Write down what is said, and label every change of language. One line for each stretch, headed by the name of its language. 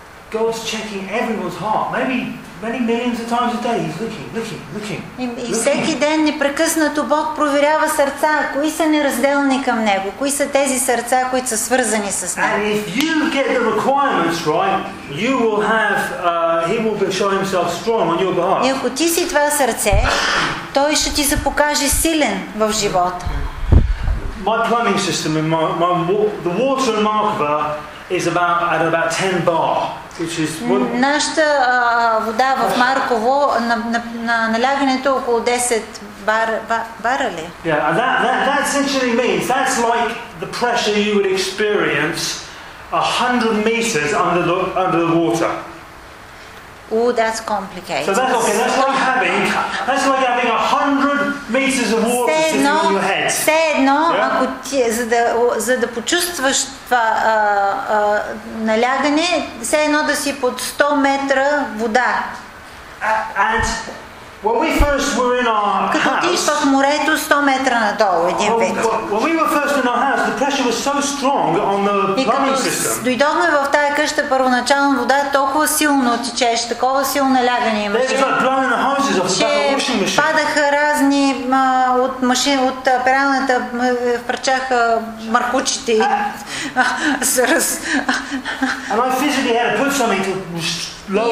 English: God's checking everyone's heart. Maybe many millions of times a day he's looking.
Bulgarian: И всеки ден непрекъснато Бог проверява сърца, кои са неразделни към Него, кои са тези сърца, които са свързани с Него.
English: And if you get the requirements right, you will have he will show himself strong on your behalf.
Bulgarian: И ако ти си това сърце, той ще ти се покаже силен в живота.
English: My plumbing system in my the water in Markova is about 10 bar.
Bulgarian: Нашата вода в Марково на налягането около 10 бара ли?
English: Yeah, and that essentially means that's like the pressure you would experience 100 meters under the water. Oh, that's complicated. So that's okay. That's like having 100 meters of water sitting in your head.
Bulgarian: Все едно, ако ти, за да почувстваш това налягане, все едно да си под 100 метра вода.
English: And when we first were in our house,
Bulgarian: като ти си под морето 100 метра надолу един път.
English: When we were first in our house, the pressure was so strong on the plumbing system.
Bulgarian: И като дойдохме в тая къща, първоначално вода толкова силно течеше, такова силно налягане имаше. Че падаха разни от пералната, впрачаха маркучите и сръс.
English: And I physically had to put something to lower